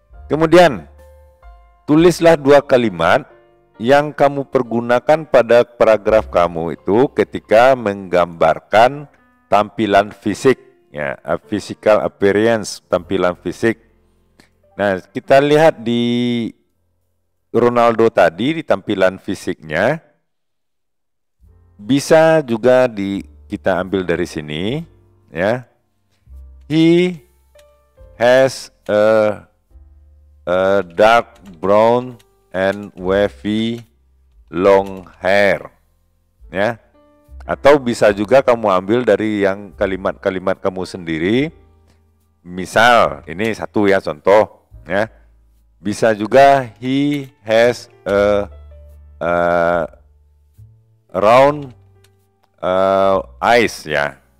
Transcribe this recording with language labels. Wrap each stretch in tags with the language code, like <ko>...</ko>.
<id>Kemudian tulislah dua kalimat yang kamu pergunakan pada paragraf kamu itu ketika menggambarkan tampilan fisik, ya,</id> <en>physical appearance,</en> <id>tampilan fisik. Nah, kita lihat di Ronaldo tadi, di tampilan fisiknya, bisa juga kita ambil dari sini, ya.</id> <en>He has a dark brown and wavy long hair, ya.</en> <id>Atau bisa juga kamu ambil dari yang kalimat-kalimat kamu sendiri. Misal, ini satu ya contoh, ya. Bisa juga</id> <en>he has a round eyes, ya.</en>